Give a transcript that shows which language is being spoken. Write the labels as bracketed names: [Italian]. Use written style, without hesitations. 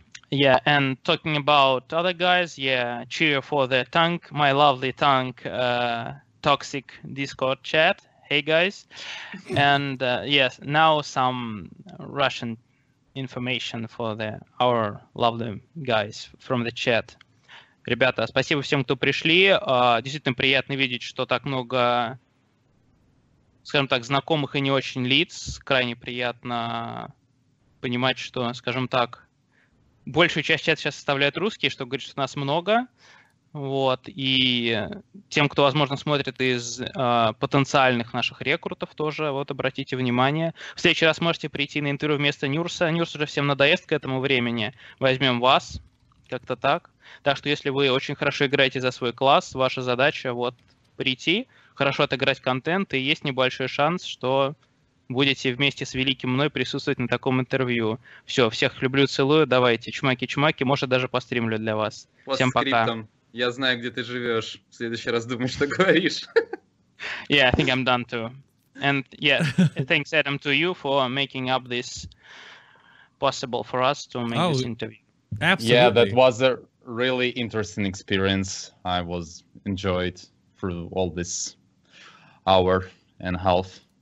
[English] Yeah, and talking about other guys, yeah, cheer for the tank, my lovely tank, toxic Discord chat. Hey guys. And yes, now some Russian information for our lovely guys from the chat. [Russian] Ребята, спасибо всем, кто пришли. Действительно приятно видеть, что так много, скажем так, знакомых и не очень лиц. Крайне приятно понимать, что, скажем так, большую часть чата сейчас составляют русские, что говорит, что нас много. Вот. И тем, кто, возможно, смотрит из потенциальных наших рекрутов тоже, вот обратите внимание. В следующий раз можете прийти на интервью вместо Нюрса. Нюрс уже всем надоест к этому времени. Возьмем вас. Как-то так. Так что если вы очень хорошо играете за свой класс, ваша задача вот прийти, хорошо отыграть контент, и есть небольшой шанс, что будете вместе с великим мной присутствовать на таком интервью. Все, всех люблю, целую, давайте, чмаки-чмаки, может даже постримлю для вас. Всем пока. Я знаю, где ты живешь. В следующий раз думай, что говоришь. [English] Yeah, I think I'm done too. And yeah, thanks Adam to you for making up this possible for us to make this interview. Absolutely. Yeah, that was a really interesting experience. I was enjoyed through all this hour and half.